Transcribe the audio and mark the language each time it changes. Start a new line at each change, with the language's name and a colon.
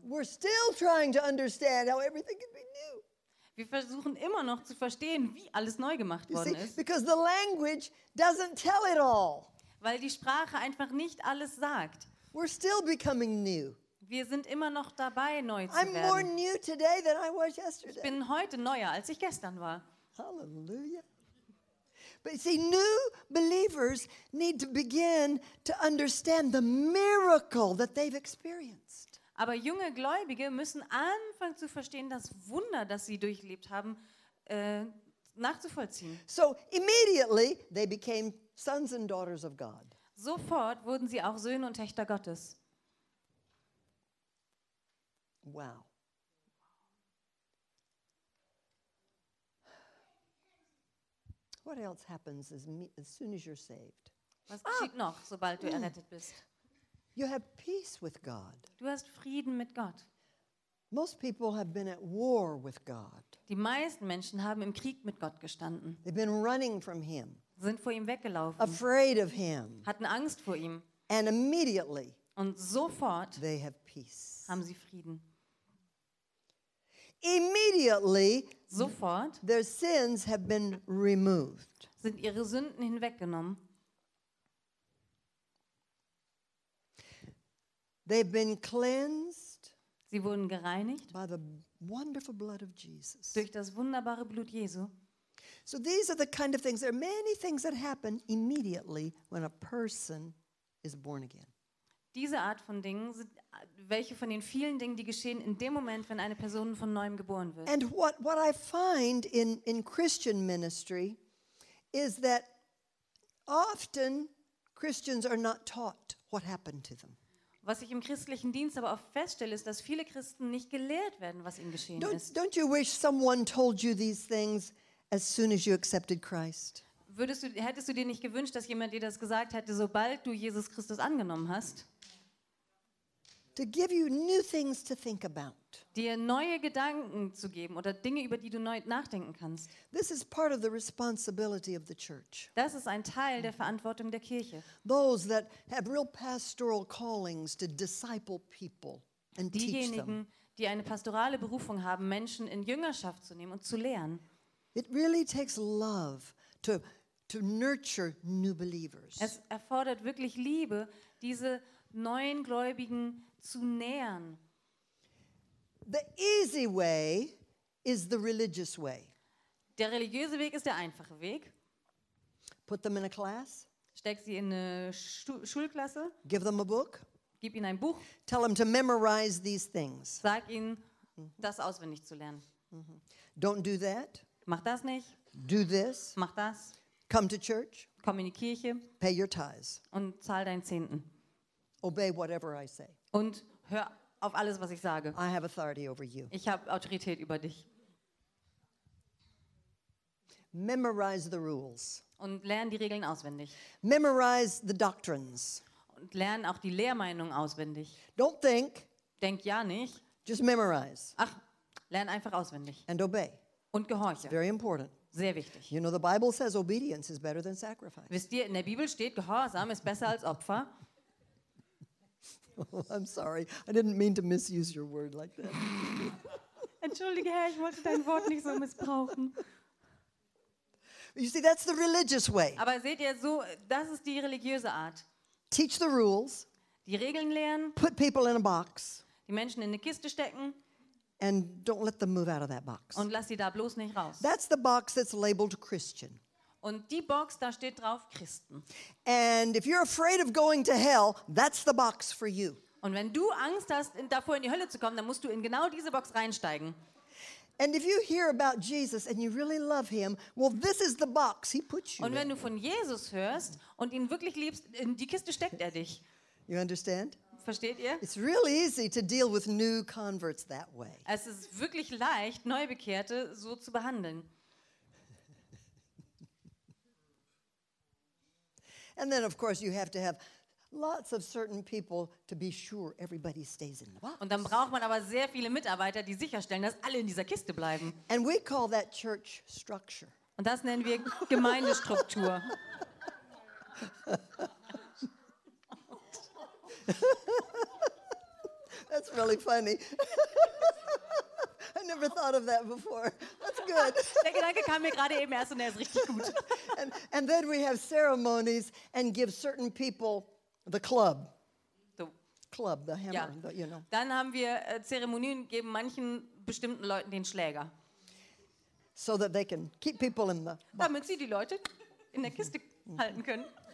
English: We're still trying to understand how everything can be new.
German: Wir versuchen immer noch zu verstehen, wie alles neu gemacht worden ist.
English: Because the language doesn't tell it all.
German: Weil die Sprache einfach nicht alles sagt.
English: We're still becoming new.
German: Wir sind immer noch dabei, neu zu werden.
English: I'm more new today than I was yesterday.
German: Ich bin heute neuer, als ich gestern war.
English: Hallelujah. But see, new believers need to begin to understand the miracle that they've experienced.
German: Aber junge Gläubige müssen anfangen zu verstehen, das Wunder, das sie durchlebt haben, nachzuvollziehen.
English: So immediately they became sons and daughters of God.
German: Sofort wurden sie auch Söhne und Töchter Gottes.
English: Wow. What else happens as soon as you're saved?
German: Was geschieht noch, sobald du errettet bist?
English: You have peace with God.
German: Du hast Frieden mit Gott.
English: Most people have been at war with God.
German: Die meisten Menschen haben im Krieg mit Gott gestanden.
English: They've been running from him.
German: Sind vor ihm weggelaufen.
English: Afraid of him.
German: Hatten Angst vor ihm.
English: And immediately.
German: Und sofort.
English: They have peace.
German: Haben sie Frieden.
English: Immediately.
German: Sofort.
English: Their sins have been removed.
German: Sind ihre Sünden hinweggenommen.
English: They've been cleansed.
German: Sie wurden gereinigt.
English: By the wonderful blood of Jesus.
German: Durch das wunderbare Blut Jesu.
English: So these are the kind of things. There are many things that happen immediately when a person is born again.
German: Diese Art von Dingen sind welche von den vielen Dingen, die geschehen in dem Moment, wenn eine Person von neuem geboren wird.
English: And what I find in Christian ministry is that often Christians are not taught what happened to them.
German: Was ich im christlichen Dienst aber oft feststelle, ist, dass viele Christen nicht gelehrt werden, was ihnen geschehen ist.
English: Don't you wish someone told you these things as soon as you accepted Christ?
German: Hättest du dir nicht gewünscht, dass jemand dir das gesagt hätte, sobald du Jesus Christus angenommen hast?
English: To give you new things to think about.
German: Dir neue Gedanken zu geben oder Dinge, über die du neu nachdenken kannst.
English: This is part of the responsibility of the church.
German: Das ist ein Teil der Verantwortung der Kirche.
English: Those that have real pastoral callings to disciple people and teach them.
German: Diejenigen, die eine pastorale Berufung haben, Menschen in Jüngerschaft zu nehmen und zu lehren.
English: It really takes love to nurture new believers.
German: Es erfordert wirklich Liebe, diese neuen Gläubigen zu nähern.
English: The easy way is the religious way.
German: Der religiöse Weg ist der einfache Weg.
English: Put them in a class.
German: Steck sie in eine Schulklasse.
English: Give them a book.
German: Gib ihnen ein Buch.
English: Tell them to memorize these things.
German: Sag ihnen, das auswendig zu lernen.
English: Don't do that.
German: Mach das nicht.
English: Do this.
German: Mach das.
English: Come to church.
German: Komm in die Kirche.
English: Pay your tithes.
German: Und zahl deinen Zehnten.
English: Obey whatever I say.
German: Und hör auf alles, was ich sage.
English: I have authority over you.
German: Ich habe Autorität über dich.
English: Memorize the rules.
German: Und lern die Regeln auswendig.
English: Memorize the doctrines.
German: Und lern auch die Lehrmeinung auswendig.
English: Don't think.
German: Denk ja nicht.
English: Just memorize.
German: Ach, lern einfach auswendig.
English: And obey.
German: Und gehorche.
English: Very important.
German: Sehr wichtig.
English: You know, the Bible says obedience is better than sacrifice.
German: Wisst ihr, in der Bibel steht, Gehorsam ist besser als Opfer.
English: Oh, I'm sorry. I didn't mean to misuse your word like that.
German: Entschuldige, Herr, ich wollte dein Wort nicht so missbrauchen.
English: You see, that's the religious way.
German: Aber seht ihr, so, das ist die religiöse Art.
English: Teach the rules.
German: Die Regeln lernen.
English: Put people in a box.
German: Die Menschen in eine Kiste stecken.
English: And don't let them move out of that box.
German: Und lass sie da bloß nicht raus.
English: That's the box that's labeled Christian.
German: Und die Box, da steht drauf Christen.
English: And if you're afraid of going to hell, that's the box for you.
German: Und wenn du Angst hast, davor in die Hölle zu kommen, dann musst du in genau diese Box reinsteigen.
English: And if you hear about Jesus and you really love him, well, this is the box he puts you in.
German: Und wenn du von Jesus hörst und ihn wirklich liebst, in die Kiste steckt er dich.
English: You understand?
German: Versteht ihr?
English: It's real easy to deal with new converts that way.
German: Es ist wirklich leicht, Neubekehrte so zu behandeln.
English: And then, of course, you have to have lots of certain people to be sure everybody stays in the box.
German: Und dann braucht man aber sehr viele Mitarbeiter, die sicherstellen, dass alle in dieser Kiste bleiben.
English: And we call that church structure.
German: Und das nennen wir Gemeindestruktur.
English: That's really funny. I never thought of that before. That's good.
German: Der Gedanke kam mir gerade eben erst und er ist richtig gut.
English: And then we have ceremonies and give certain people the club. The club, the hammer,
German: ja.
English: The, you know.
German: Dann haben wir Zeremonien, geben manchen bestimmten Leuten den Schläger.
English: So that they can keep people in the box.
German: Damit sie die Leute in der Kiste halten können.